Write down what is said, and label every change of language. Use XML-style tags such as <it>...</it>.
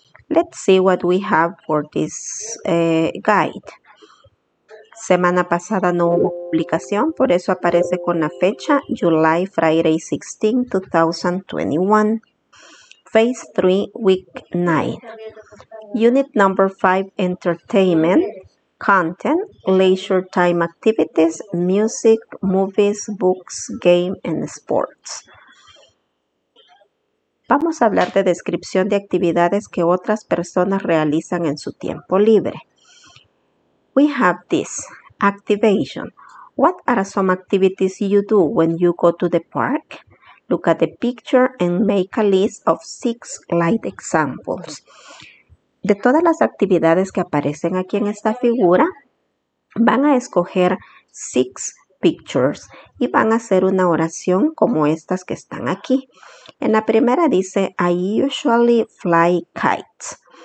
<en>Let's see what we have for this guide.</en> <es>Semana pasada no hubo publicación, por eso aparece con la fecha</es> <en>July, Friday</en> <es>16, 2021.</es> <en>Phase 3, week 9. Unit number 5, entertainment. Content, leisure time activities, music, movies, books, game, and sports.</en> <es>Vamos a hablar de descripción de actividades que otras personas realizan en su tiempo libre.</es> <en>We have this. Activation. What are some activities you do when you go to the park? Look at the picture and make a list of 6 light examples.</en> <es>De todas las actividades que aparecen aquí en esta figura, van a escoger 6 pictures y van a hacer una oración como estas que están aquí. En la primera dice,</es> <en>I usually fly kites.</en>